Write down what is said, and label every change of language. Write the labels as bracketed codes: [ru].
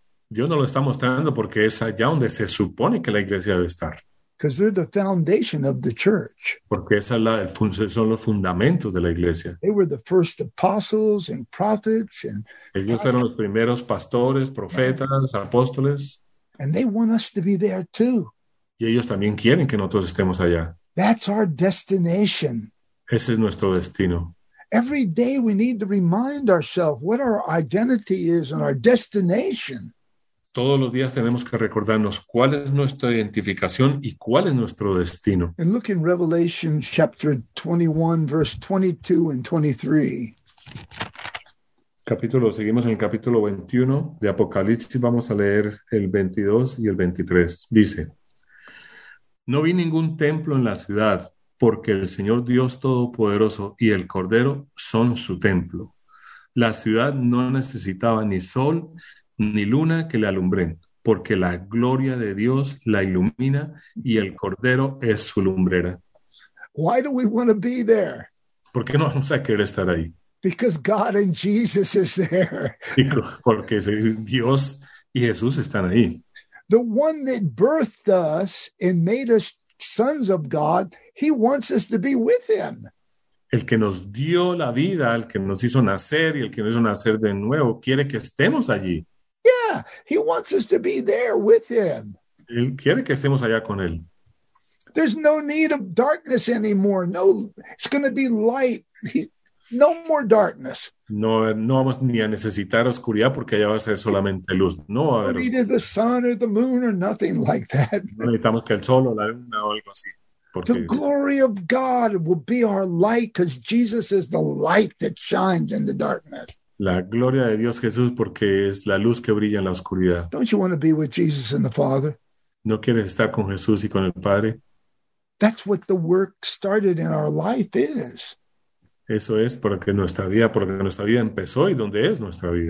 [es] Dios nos lo está mostrando porque es allá donde se supone que la iglesia debe estar. [en] Because they're the foundation of the church. [es] Porque esa es son los fundamentos de la iglesia. [en] They were the first apostles and prophets. And [es] ellos fueron los primeros pastores, profetas, apóstoles. [en] And they want us to be there too. [es] Y ellos también quieren que nosotros estemos allá. [en] That's our destination. [es] Ese es nuestro destino. [en] Every day we need to remind ourselves what our identity is and our destination. [es] Todos los días tenemos que recordarnos cuál es nuestra identificación y cuál es nuestro destino. [en] And look in Revelation chapter 21, verse 22 and 23. [es] Seguimos en el capítulo 21 de Apocalipsis. Vamos a leer el 22 y el 23. Dice, no vi ningún templo en la ciudad, porque el Señor Dios Todopoderoso y el Cordero son su templo. La ciudad no necesitaba ni sol, ni luna que le alumbren, porque la gloria de Dios la ilumina y el Cordero es su lumbrera. [en] Why do we want to be there? [es] ¿Por qué no vamos a querer estar ahí? [en] Because God and Jesus is there. [es] Porque Dios y Jesús están ahí. [en] The one that birthed us and made us sons of God, he wants us to be with him. [es] El que nos dio la vida, el que nos hizo nacer y el que nos hizo nacer de nuevo, quiere que estemos allí. [en] Yeah, he wants us to be there with him. [es] Él quiere que estemos allá con él. [en] There's no need of darkness anymore. No, it's going to be light. No more darkness. [es] No vamos ni a necesitar oscuridad porque allá va a ser solamente luz. No va a haber oscuridad. [en] No need the sun or the moon or nothing like that. [es] No necesitamos que el sol o la luna o algo así. Porque [en] the glory of God will be our light because Jesus is the light that shines in the darkness. [es] La gloria de Dios Jesús porque es la luz que brilla en la oscuridad. [en] Don't you want to be with Jesus and the Father? [es] ¿No quieres estar con Jesús y con el Padre? [en] That's what the work started in our life is. [es] Eso es porque nuestra vida empezó y donde es nuestra vida.